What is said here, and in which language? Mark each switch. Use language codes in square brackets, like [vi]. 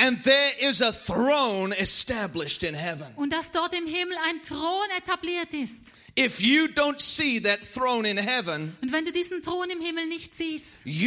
[en] And there is a throne established in heaven. [de] Und dass dort im Himmel ein Thron etabliert ist. [en] If you don't see that throne in heaven, [de] und wenn du diesen Thron im Himmel nicht siehst,